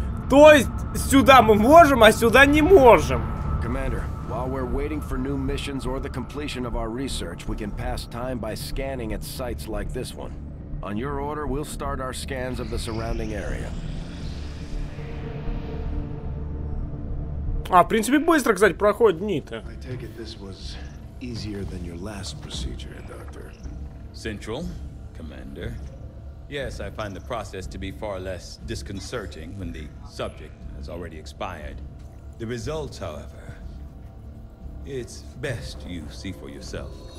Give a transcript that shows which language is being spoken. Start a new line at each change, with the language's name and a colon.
Russian: То есть сюда мы можем, а сюда не можем.
English: Commander. While we're waiting for new missions or the completion of our research, we can pass time by scanning at sites like this one. On your order, we'll start our scans of the surrounding area.
Russian: А, в принципе, быстро, кстати, проходят дни-то.
English: I take it this was easier than your last procedure, Doctor. Central, Commander. Yes, I find the process to be far less disconcerting when the subject has already expired. The results, however, it's best you see for yourself.